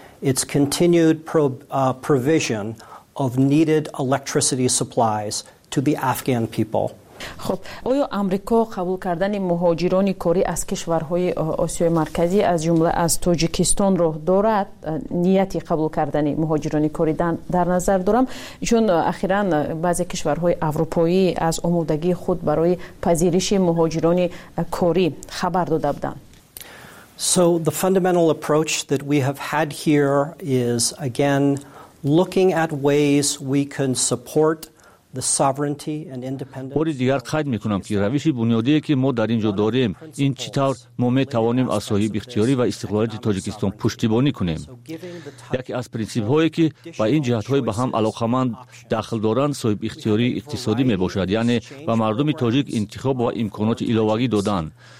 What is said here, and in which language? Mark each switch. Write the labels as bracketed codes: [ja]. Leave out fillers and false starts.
[en] Its continued provision of needed electricity supplies to the Afghan people. [fa] خب آیا آمریکا قبول کردن مهاجران کاری از کشورهای آسیای مرکزی از جمله از تاجیکستان را دارد؟ نیتی قبول کردن مهاجران کاری در نظر دارم، چون اخیرا بعضی کشورهای اروپایی از آمادگی خود برای پذیرش مهاجران کاری خبر داده بودند. [en] So the fundamental approach that we have had here is again looking at ways we can support the sovereignty and independence. [fa] بار دیگر قید میکنم که روش بنیادی که ما در اینجا داریم این چطور ما میتوانیم از صاحب اختیاری و استقلالیت تاجیکستان پشتیبانی کنیم. یکی از پرینسیپ هایی که با این جهت های به هم علاقمند دخل دارند صاحب اختیاری اقتصادی میباشد، یعنی به مردم تاجیک انتخاب و امکانات علاوگی دادن.